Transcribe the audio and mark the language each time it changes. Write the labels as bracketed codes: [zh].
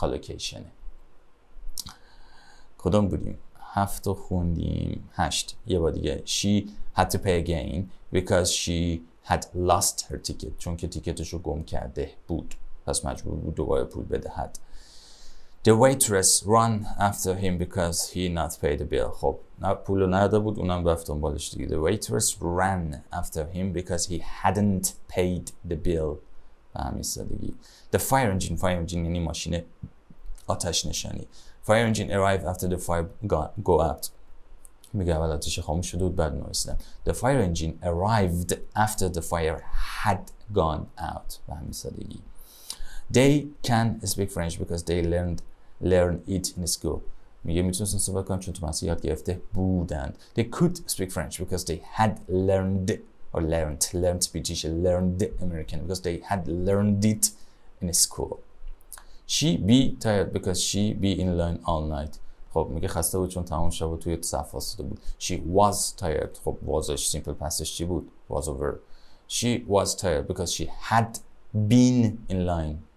[fa] کالوکیشن کدام بودیم؟ هفت رو خوندیم، هشت. یه بار دیگه. [en] She had to pay again because she had lost her ticket. [fa] چون که تیکتش رو گم کرده بود پس مجبور بود دوباره پول بدهد. [en] The waitress ran after him because he not paid the bill. [fa] خب پول رو نداده بود، اونم رفت دنبالش دیگه. [en] The waitress ran after him because he hadn't paid the bill. [fa] به همین سادگی. [en] The fire engine. [fa] fire engine یعنی ماشین آتش نشانی. [en] Fire engine arrived after the fire go out. [fa] میگه اول آتش خاموش شد و بعد نرسیدن. [en] The fire engine arrived after the fire had gone out. [fa] به همین سادگی. [en] They can speak French because they learn it in school. [fa] میگه میتونستن صحبت کنن چون تو مدرسه یاد گرفته بودن. [en] They could speak French because they had learned British, learned American because they had learned it in school. She be tired because she be in line all night. [fa] خب میگه خسته بود چون تمام شب توی صف واسطه بود. [en] She was tired. [fa] خب وازش سیمپل پستش چی بود؟ was over. [en] She was tired because she had been in line.